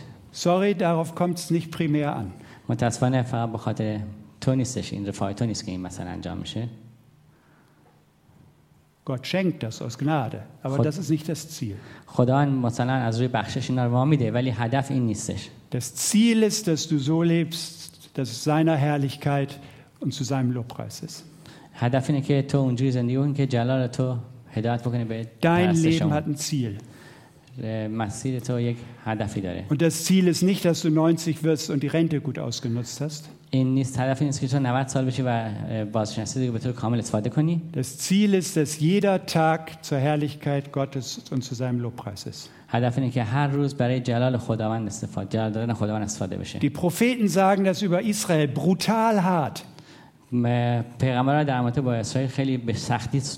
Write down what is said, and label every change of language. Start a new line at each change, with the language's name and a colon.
German: Sorry, darauf kommt es nicht primär an. Gott schenkt das aus Gnade, aber das ist nicht das Ziel.
Persian: خدا مثلا از روی بخشش اینا رو ما میده ولی هدف این نیستش.
German: Das Ziel ist, dass du so lebst, dass es seiner Herrlichkeit und zu seinem Lobpreis ist.
Persian: هدف اینه که تو اونجوری زندگی کنی که جلال تو هدایت بکنه به پرستش.
German: Dein Leben hat ein Ziel.
Persian: مسیر تو یک هدفی داره.
German: Und das Ziel ist nicht, dass du 90 wirst und die Rente gut ausgenutzt hast.
Persian: این نیست هدف اینه که تو 90 سال بشی و بازنشستگی رو به طور کامل استفاده کنی.
German: Das Ziel ist, dass jeder Tag zur Herrlichkeit Gottes und zu seinem Lobpreis ist.
Persian: هدف اینه که هر روز برای جلال خداوند استفاده، جلال دادن خداوند استفاده بشه.
German: Die Propheten sagen das über Israel brutal hart.
Persian: پیغمبران در مورد اسرائیل خیلی به سختی